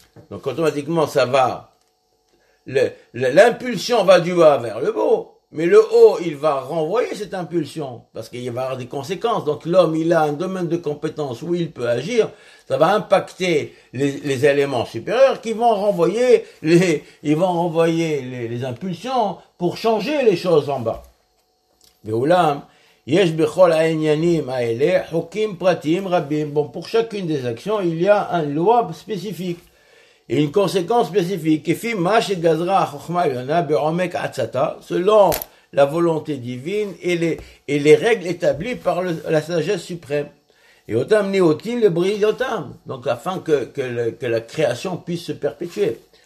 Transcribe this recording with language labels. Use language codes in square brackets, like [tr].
[fr] Donc automatiquement ça va, l'impulsion va du bas vers le haut, mais le haut il va renvoyer cette impulsion, parce qu'il va y avoir des conséquences, donc l'homme il a un domaine de compétence où il peut agir, ça va impacter les éléments supérieurs qui vont renvoyer les impulsions pour changer les choses en bas. [he] Mais oulam, יש בכל העניינים האלה חוקים פרטיים רבים. [fr] Bon, pour chacune des actions, il y a un loi spécifique, une conséquence spécifique. [he] Kifi ma shegazra hachokhma elyona be'omek atzata, [fr] selon la volonté divine et les règles établies par la sagesse suprême. Et [he] otam niotim le briyotam. [fr] Donc, afin que la création puisse se perpétuer.